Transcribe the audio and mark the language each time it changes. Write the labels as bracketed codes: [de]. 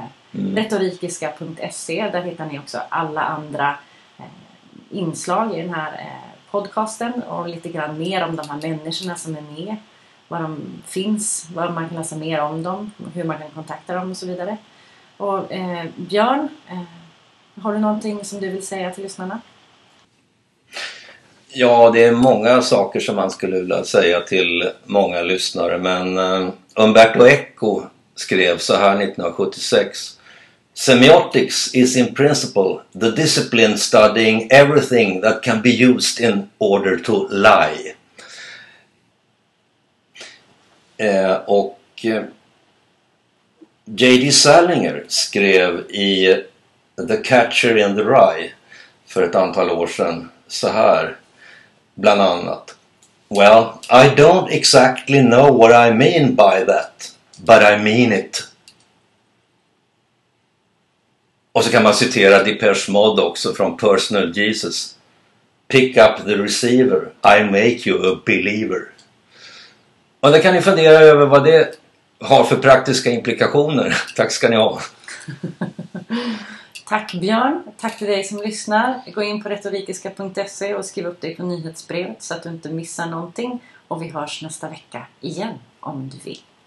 [sv] Retorikiska.se, där hittar ni också alla andra inslag i den här podcasten och lite grann mer om de här människorna som är med, var de finns, vad man kan läsa mer om dem, hur man kan kontakta dem och så vidare. Och Björn, har du någonting som du vill säga till lyssnarna? Ja, det är många saker som man skulle vilja säga till många lyssnare. Men Umberto Eco skrev så här 1976. [en] Semiotics is in principle the discipline studying everything that can be used in order to lie. [sv] Och J.D. Salinger skrev i The Catcher in the Rye för ett antal år sedan så här bland annat: [en] well, I don't exactly know what I mean by that, but I mean it. [sv] Och så kan man citera Depeche Mode också från Personal Jesus. [en] Pick up the receiver, I make you a believer. [sv] Och där kan ni fundera över vad det har för praktiska implikationer. Tack ska ni ha. Tack Björn, tack till dig som lyssnar. Gå in på retorikiska.se och skriv upp dig på nyhetsbrevet så att du inte missar någonting. Och vi hörs nästa vecka igen om du vill.